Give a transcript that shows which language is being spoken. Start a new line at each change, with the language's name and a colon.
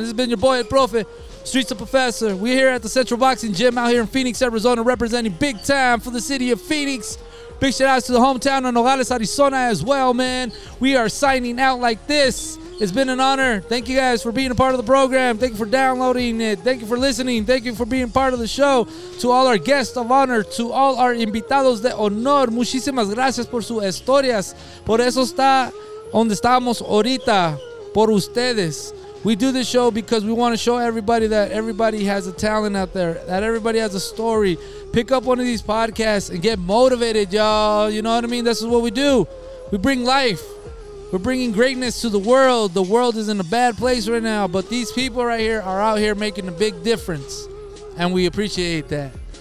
English: This has been your boy, El Profe, Streets of Professor. We're here at the Central Boxing Gym out here in Phoenix, Arizona, representing big time for the city of Phoenix. Big shout out to the hometown of Nogales, Arizona as well, man. We are signing out like this. It's been an honor. Thank you guys for being a part of the program. Thank you for downloading it. Thank you for listening. Thank you for being part of the show. To all our guests of honor, to all our
Spanish: invitados de honor, muchísimas gracias por sus historias. Por eso está... Donde estamos ahorita, por ustedes.
English: We do this show because we want to show everybody that everybody has a talent out there, that everybody has a story. Pick up one of these podcasts and get motivated, y'all. You know what I mean? This is what we do. We bring life. We're bringing greatness to the world. The world is in a bad place right now, but these people right here are out here making a big difference, and we appreciate that.